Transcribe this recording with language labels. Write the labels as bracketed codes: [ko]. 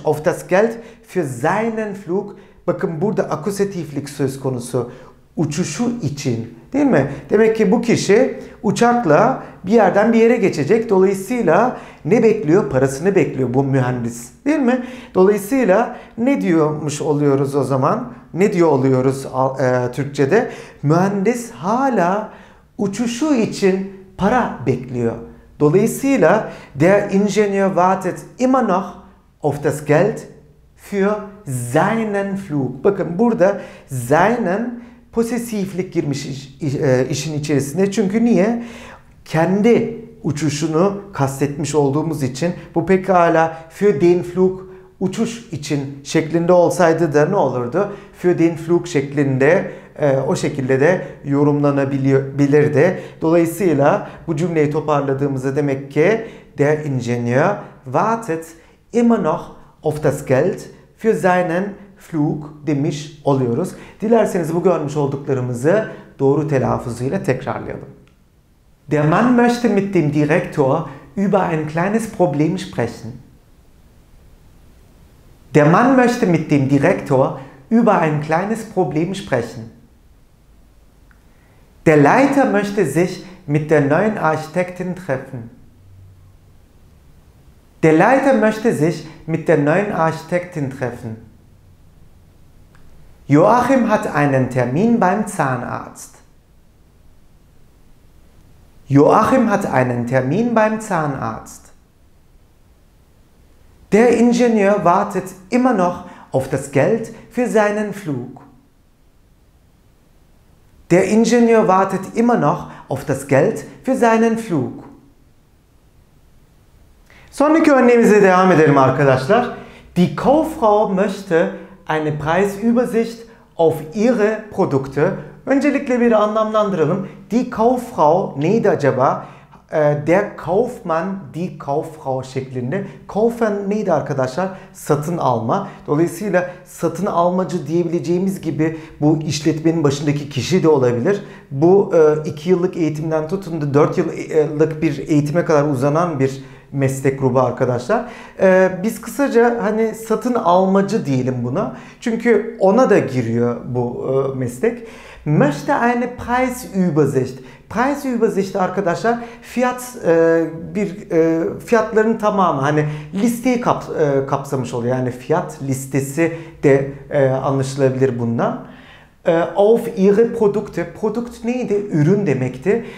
[de] Auf das Geld für seinen Flug. [tr] Bakın burada akusatiflik söz konusu. Uçuşu için değil mi? Demek ki bu kişi uçakla bir yerden bir yere geçecek. Dolayısıyla ne bekliyor? Parasını bekliyor bu mühendis değil mi? Dolayısıyla ne diyormuş oluyoruz o zaman? Ne diyor oluyoruz Türkçe'de? Mühendis hala uçuşu için para bekliyor. Dolayısıyla [de] der Ingenieur wartet immer noch auf das Geld für seinen Flug. [tr] Bakın burada seinen posesiflik girmiş işin içerisine. Çünkü niye? Kendi uçuşunu kastetmiş olduğumuz için. Bu pekala [de] für den Flug [tr] uçuş için şeklinde olsaydı da ne olurdu? [de] Für den Flug [tr] şeklinde o şekilde de yorumlanabilirdi. Dolayısıyla bu cümleyi toparladığımızda demek ki [de] der Ingenieur wartet immer noch auf das Geld für seinen Flug [tr] demiş oluyoruz. Dilerseniz bu görmüş olduklarımızı doğru telaffuzuyla tekrarlayalım. [de] Der Mann möchte mit dem Direktor über ein kleines Problem sprechen. Der Mann möchte mit dem Direktor über ein kleines Problem sprechen. Der Leiter möchte sich mit der neuen Architektin treffen. Der Leiter möchte sich mit der neuen Architektin treffen. Joachim hat einen Termin beim Zahnarzt. Joachim hat einen Termin beim Zahnarzt. Der Ingenieur wartet immer noch auf das Geld für seinen Flug. Der Ingenieur wartet immer noch auf das Geld für seinen Flug. [tr] Sonnige Örneğimize devam edelim arkadaşlar. [de] Die Kauffrau möchte eine Preisübersicht auf ihre Produkte. [tr] Öncelikle bir anlamlandıralım. [de] Die Kauffrau [tr] neydi acaba? [de] Der Kaufmann, die Kauffrau [tr] şeklinde. Kaufen neydi arkadaşlar? Satın alma. Dolayısıyla satın almacı diyebileceğimiz gibi bu işletmenin başındaki kişi de olabilir. Bu 2 yıllık eğitimden tutun da 4 yıllık bir eğitime kadar uzanan bir meslek grubu arkadaşlar. Biz kısaca hani satın almacı diyelim buna. Çünkü ona da giriyor bu meslek. [de] Möchte eine Preisübersicht. [tr] Preis Übersicht arkadaşlar fiyat bir fiyatların tamamı hani listeyi kapsamış oluyor. Yani fiyat listesi de anlaşılabilir bundan. [de] Auf ihre Produkte. [tr] Produkt neydi? Ürün demekti.